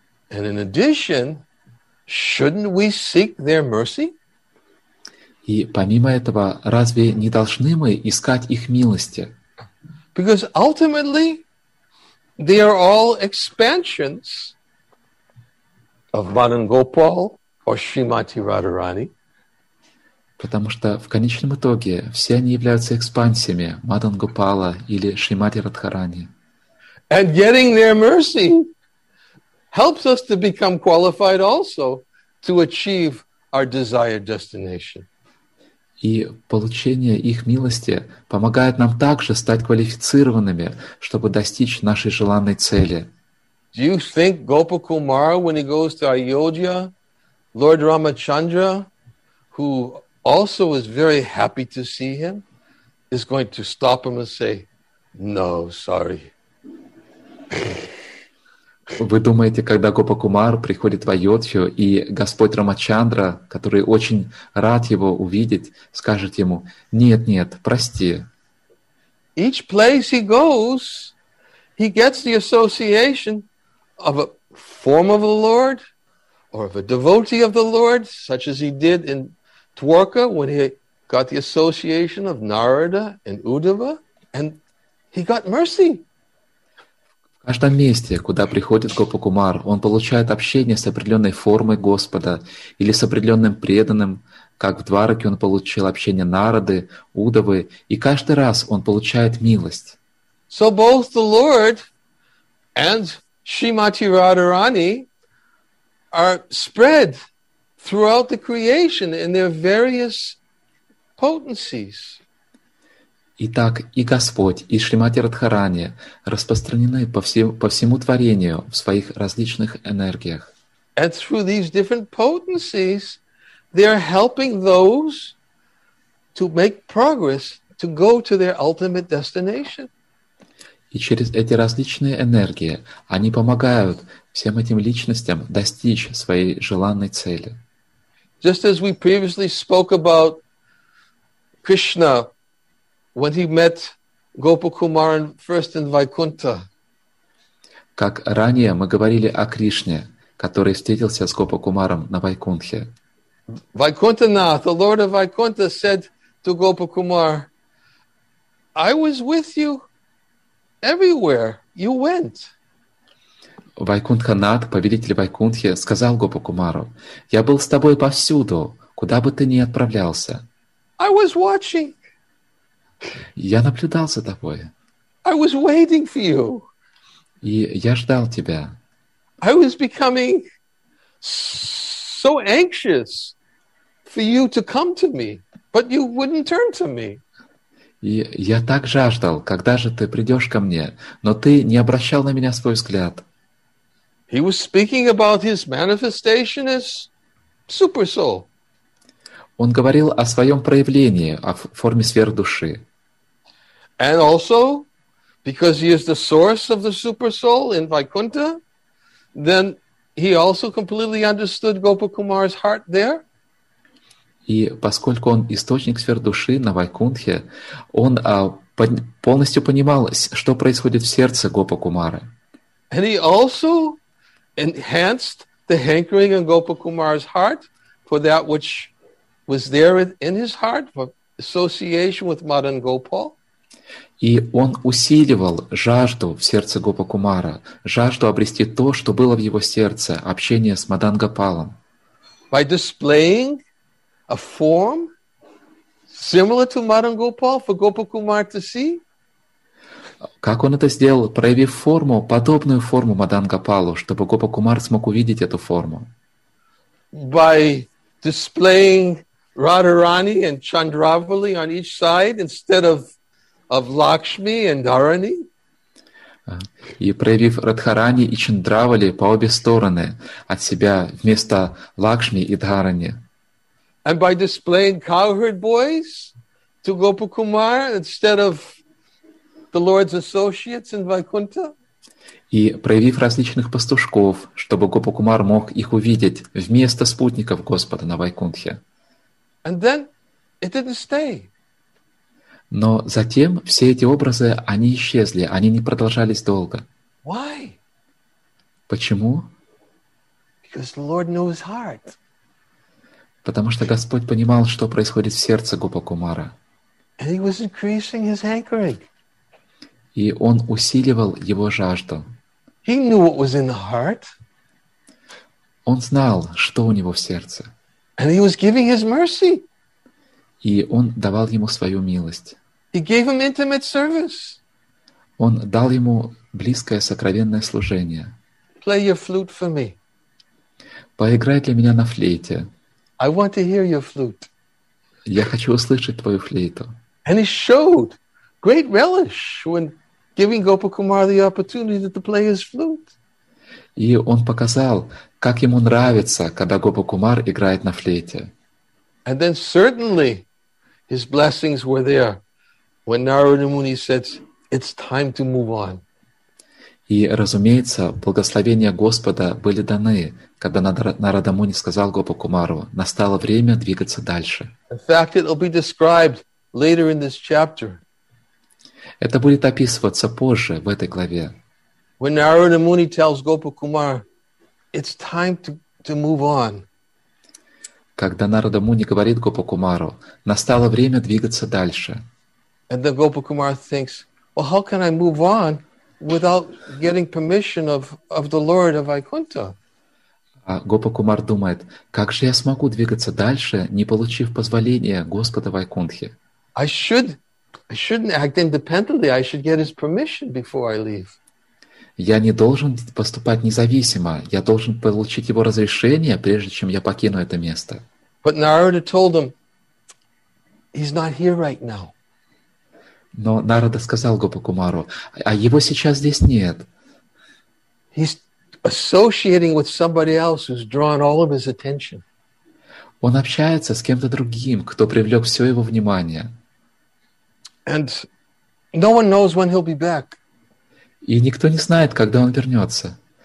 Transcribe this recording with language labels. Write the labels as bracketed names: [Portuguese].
[English] And in addition, shouldn't we seek their mercy? [Russian] И помимо этого, разве не должны мы искать их милости? [English] Because ultimately, they are all expansions of Manan Gopal or Srimati Radharani. [Russian] Потому что в конечном итоге все они являются экспансиями Мадан Гопала или Шримати Радхарани. [English] And getting their mercy helps us to become qualified also to achieve our desired destination. [Russian] И получение их милости помогает нам также стать квалифицированными, чтобы достичь нашей желанной цели. [English] Do you think Gopal Kumar, when he goes to Ayodhya, Lord Ramachandra, who also is very happy to see him, is going to stop him and say, no, sorry. [Russian] Вы думаете, когда Гопа Кумар приходит в Айодхью, и Господь Рамачандра, который очень рад его увидеть, скажет ему, нет, прости. [English] Each place he goes, he gets the association of a form of the Lord, or of a devotee of the Lord, such as he did in Dwarka, when he got the association of Narada and Uddhava, and he got mercy. [Russian] В каждом месте, куда приходит Гопа Кумар, он получает общение с определенной формой Господа или с определенным преданным, как в Двараке он получил общение Нарады, Уддавы, и каждый раз он получает милость. [English] So both the Lord and Srimati Radharani are spread throughout the creation in their various potencies. [Russian] Итак, и Господь, и Шримати Радхарани распространены по всему творению в своих различных энергиях. [English] And through these different potencies, they're helping those to make progress, to go to their ultimate destination. [Russian] И через эти различные энергии они помогают всем этим личностям достичь своей желанной цели. [English] Just as we previously spoke about Krishna when he met Gopakumar first in Vaikuntha. [Russian] Как ранее мы говорили о Кришне, который встретился с Гопакумаром на Вайкунтхе. [English] Vaikunthanath, the Lord of Vaikuntha, said to Gopakumar, I was with you everywhere you went. [Russian] Вайкунтханат, повелитель Вайкунтхи, сказал Гопакумару, я был с тобой повсюду, куда бы ты ни отправлялся. [English] I was watching. [Russian] Я наблюдал за тобой. [English] I was waiting for you. [Russian] И я ждал тебя. [English] I was becoming so anxious for you to come to me, but you wouldn't turn to me. [Russian] И я так жаждал, когда же ты придешь ко мне, но ты не обращал на меня свой взгляд. [English] He was speaking about his manifestation as super soul. [Russian] Он говорил о своем проявлении, о форме сверх души. [English] And also, because he is the source of the super soul in Vaikuntha, then he also completely understood Gopakumar's heart there. [Russian] И поскольку он источник сверх души на Вайкунтхе, он полностью понимал, что происходит в сердце Гопакумары. [English] And he also enhanced the hankering in Gopakumar's heart for that which was there in his heart, for association with Madan Gopal. [Russian] И он усиливал жажду в сердце Гопакумара, жажду обрести то, что было в его сердце, общение с Мадан Гопалом. [English] By displaying a form similar to Madan Gopal for Gopakumar to see. [Russian] Как он это сделал, проявив форму, подобную форму Мадан Гопалу, чтобы Гопакумар смог увидеть эту форму? [English] By displaying Radharani and Chandravali on each side instead of Lakshmi and Dharani. [Russian] И проявив Радхарани и Чандравали по обе стороны от себя вместо Лакшми и Дхарани. [English] And by displaying cowherd boys to Gopakumar instead of the Lord's associates in Vaikuntha. [Russian] И проявив различных пастушков, чтобы Гопакумар мог их увидеть вместо спутников Господа на Вайкунтхе. [English] And then it didn't stay. [Russian] Но затем все эти образы, они исчезли, они не продолжались долго. [English] Why? [Russian] Почему? [English] Because the Lord knew his heart. [Russian] Потому что Господь понимал, что происходит в сердце Гопакумара. [English] And he was increasing his hankering. [Russian] И он усиливал его жажду. [English] He knew what was in the heart. [Russian] Он знал, что у него в сердце. [English] And he was giving his mercy. [Russian] И он давал ему свою милость. [English] He gave him intimate service. [Russian] Он дал ему близкое сокровенное служение. [English] Play your flute for me. [Russian] Поиграй для меня на флейте. [English] I want to hear your flute. [Russian] Я хочу услышать твою флейту. [English] And he showed great relish when giving Gopakumar the opportunity to play his flute. [Russian] И он показал, как ему нравится, когда Гопакумар играет на флейте. [English] And then certainly his blessings were there. When Narada Muni said, it's time to move on. [Russian] И, разумеется, благословения Господа были даны, когда Нарада Муни сказал Гопакумару, настало время двигаться дальше. [English] In fact, it'll be described later in this chapter. [Russian] Это будет описываться позже в этой главе. [English] When Narada Muni tells Gopakumar, it's time to move on. [Russian] Когда Нарада Муни говорит Гопакумару, настало время двигаться дальше. [English] And then Gopakumar thinks, well, how can I move on without getting permission of the Lord of Vaikuntha? [Russian] Гопакумар думает, как же я смогу двигаться дальше, не получив позволения Господа Вайкунтхи? [English] I shouldn't act independently. I should get his permission before I leave. [Russian] Я не должен поступать независимо. Я должен получить его разрешение, прежде чем я покину это место. [English] But Narada told him, he's not here right now. [Russian] Но Нарада сказал Гопакумару, а его сейчас здесь нет. [English] He's associating with somebody else who's drawn all of his attention. [Russian] Он общается с кем-то другим, кто привлёк всё его внимание. [English] And no one knows when he'll be back. [Russian] И никто не знает, когда он вернётся.